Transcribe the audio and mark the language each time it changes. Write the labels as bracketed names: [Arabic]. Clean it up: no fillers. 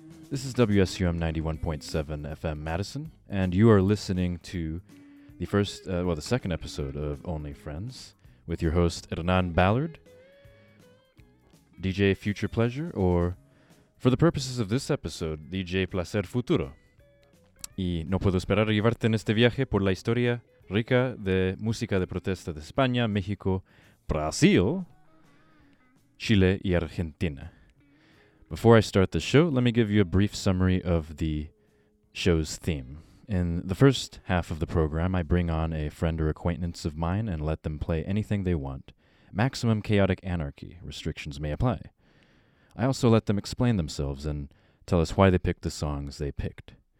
[English] This is WSUM 91.7 FM Madison, and you are listening to the second episode of Only Friends with your host Hernan Ballard, DJ Future Pleasure, or for the purposes of this episode, DJ Placer Futuro. [Spanish] Y no puedo esperar a llevarte en este viaje por la historia rica de música de protesta de España, México, Brasil, Chile, y Argentina. [English] Before I start the show, let me give you a brief summary of the show's theme. In the first half of the program, I bring on a friend or acquaintance of mine and let them play anything they want. Maximum chaotic anarchy. Restrictions may apply. I also let them explain themselves and tell us why they picked the songs they picked.